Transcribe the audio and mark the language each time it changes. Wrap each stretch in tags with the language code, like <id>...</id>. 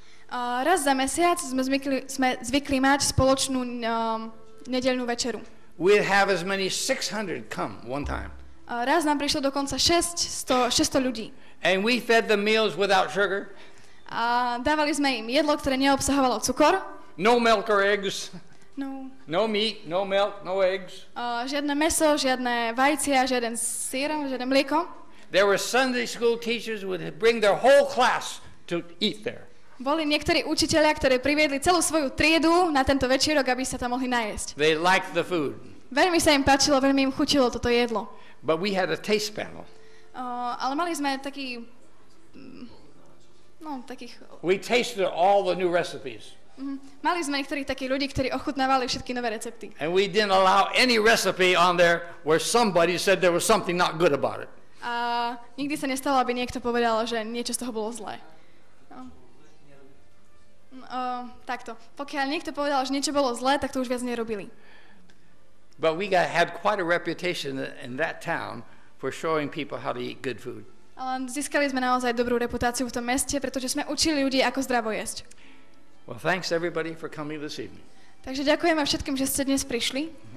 <sk>Raz za mesiac sme zvykli mať spoločnú nedeľnú večeru.</sk> <en>We'd have as many 600 come one time.</en> <sk>Raz nám prišlo dokonca 600 ľudí.</sk> <en>And we fed them meals without sugar.</en> <sk>A dávali sme im jedlo, ktoré neobsahovalo cukor.</sk> <en>No milk or eggs. No. No meat, no milk, no eggs.</en> <sk>Žiadne meso, žiadne vajcia, žiaden sýr, žiadne mlieko.</sk> <en>There were Sunday school teachers who would bring their whole class to eat there.</en> <sk>Boli niektorí učitelia, ktorí priviedli celú svoju triedu na tento večerok, aby sa tam mohli najesť.</sk> <en>They liked the food.</en> <sk>Veľmi sa im páčilo, veľmi im chutilo toto jedlo.</sk> <en>But we had a taste panel.</en> <sk>Ale mali sme taký</sk> <en>We tasted all the new recipes.</en> <sk>Mali sme niektorých takých ľudí, ktorí ochutnávali všetky nové recepty.</sk> <en>And we didn't allow any recipe on there where somebody said there was something not good about it.</en> <sk>A nikdy sa nestalo, aby niekto povedal, že niečo z toho bolo zlé. Takto. Pokiaľ niekto povedal, že niečo bolo zlé, tak to už viac nerobili.</sk> <en>But we had quite a reputation in that town for showing people how to eat good food.</en> <sk>Ale získali sme naozaj dobrú reputáciu v tom meste, pretože sme učili ľudí, ako zdravo jesť.</sk> <en>Well, thanks everybody for coming this evening.</en> <sk>Takže ďakujeme všetkým, že ste dnes prišli.</sk>